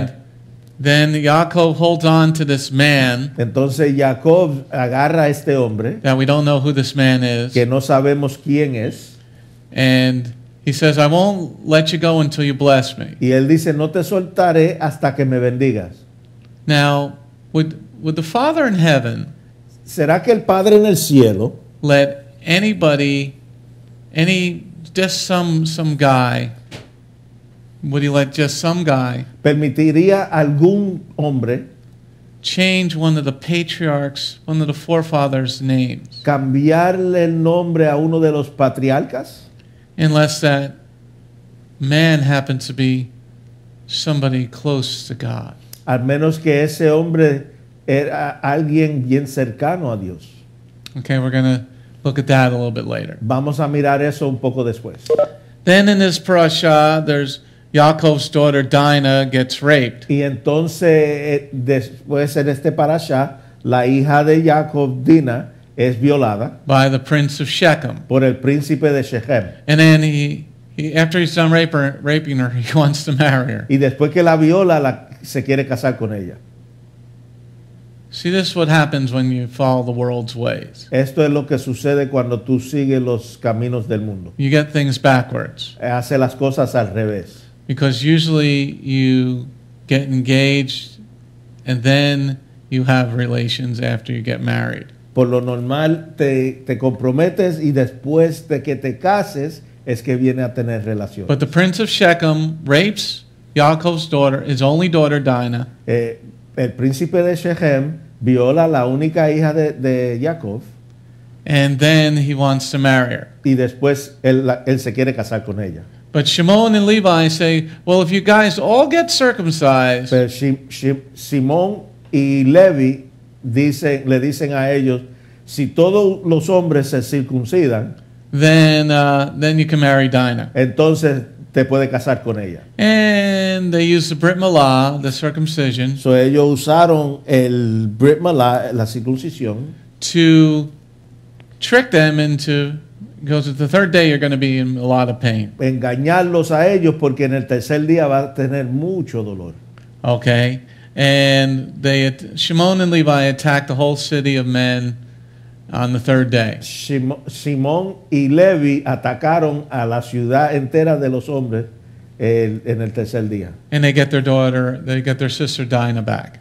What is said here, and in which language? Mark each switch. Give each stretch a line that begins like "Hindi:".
English: And then Yaakov holds on to this man.
Spanish: Entonces Jacob agarra a este hombre.
English: That we don't know who this man is.
Spanish: Que no sabemos quién es.
English: And he says, "I won't let you go until you bless me."
Spanish: Y él dice, "No te soltaré hasta que me bendigas."
English: Now, would the Father in heaven?
Spanish: ¿Será que el Padre en el cielo?
English: Let anybody, any. Just some guy. Would he let just some guy?
Spanish: ¿Permitiría algún hombre
English: change one of the patriarchs, one of the forefathers' names?
Spanish: ¿Cambiarle el nombre a uno de los patriarcas?
English: Unless that man happened to be somebody close to God.
Spanish: Al menos que ese hombre era alguien bien cercano a Dios.
English: Okay, we're going to look at that a little bit later.
Spanish: Vamos a mirar eso un poco después.
English: Then in this parasha, there's Yaakov's daughter Dinah gets raped.
Spanish: Y entonces después en este parasha, la hija de Jacob, Dina, es violada
English: by the prince of Shechem.
Spanish: Por el príncipe de Shechem.
English: And then he after he's done raping her, he wants to marry her.
Spanish: Y después que la viola, se quiere casar con ella.
English: See, this is what happens when you follow the world's ways.
Spanish: Esto es lo que sucede cuando tú sigues los caminos del mundo.
English: You get things backwards.
Spanish: Hace las cosas al revés.
English: Because usually you get engaged and then you have relations after you get married.
Spanish: Por lo normal te comprometes y después de que te cases es que viene a tener relaciones.
English: But the prince of Shechem rapes Yaakov's daughter, his only daughter Dinah.
Spanish: El príncipe de Shechem viola la única hija de Jacob.
English: And then he wants to marry her.
Spanish: Y después él se quiere casar con ella.
English: But Shimon and Levi say, well, if you guys all get circumcised.
Spanish: Pero Simón y Levi le dicen a ellos, si todos los hombres se circuncidan,
English: then you can marry Dinah.
Spanish: Entonces te puede casar con ella.
English: And they use the Brit Milah, the circumcision.
Spanish: So ellos usaron el Brit Milah, la circuncisión,
English: to trick them into, because it's the third day you're going to be in a lot of pain.
Spanish: Engañarlos a ellos porque en el tercer día va a tener mucho dolor.
English: Okay. And Shimon and Levi attack the whole city of men on the third day.
Spanish: Simón y Levi atacaron a la ciudad entera de los hombres en el tercer día.
English: And they get their daughter, they get their sister Dinah back.